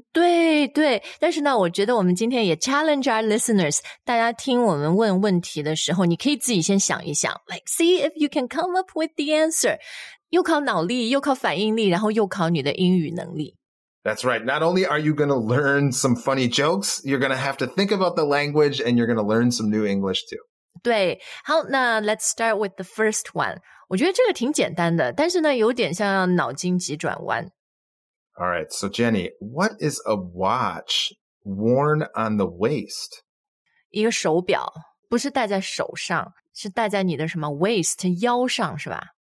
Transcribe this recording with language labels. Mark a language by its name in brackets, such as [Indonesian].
[Chinese] 对对，但是呢我觉得我们今天也 [English] challenge our listeners, [Chinese] 大家听我们问问题的时候你可以自己先想一想 [English] like see if you can come up with the answer, [Chinese] 又靠脑力又靠反应力然后又靠你的英语能力。 [English] That's right. Not only are you going to learn some funny jokes, you're going to have to think about the language and you're going to learn some new English too. [Chinese] 对，好，那 [English] let's start with the first one. [Chinese] 我觉得这个挺简单的，但是呢，有点像脑筋急转弯。 [English] All right, so Jenny, what is a watch worn on the waist? [Chinese] 一个手表，不是戴在手上，是戴在你的什么 waist, 腰上，是吧？